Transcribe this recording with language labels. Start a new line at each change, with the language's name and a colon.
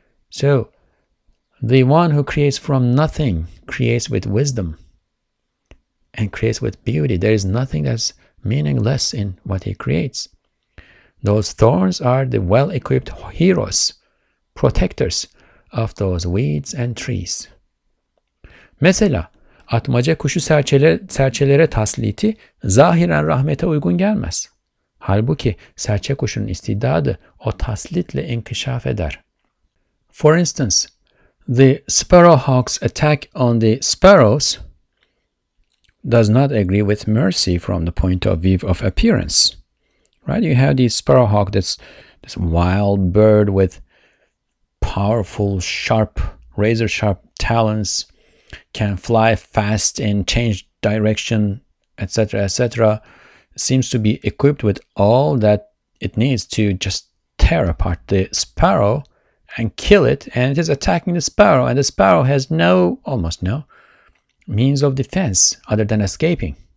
English: So, the one who creates from nothing creates with wisdom and creates with beauty. There is nothing that's meaningless in what he creates. Those thorns are the well-equipped heroes, protectors of those weeds and trees.
Turkish: Mesela, atmaca kuşu serçelere tasliti zahiren rahmete uygun gelmez. Halbuki serçe kuşunun istidadı o taslitle inkişaf eder.
English: For instance, the sparrowhawk's attack on the sparrows does not agree with mercy from the point of view of appearance. Right? You have the sparrowhawk, this wild bird with powerful, sharp, razor-sharp talons, can fly fast and change direction, etc., etc., seems to be equipped with all that it needs to just tear apart the sparrow and kill it, and it is attacking the sparrow, and the sparrow has almost no means of defense other than escaping.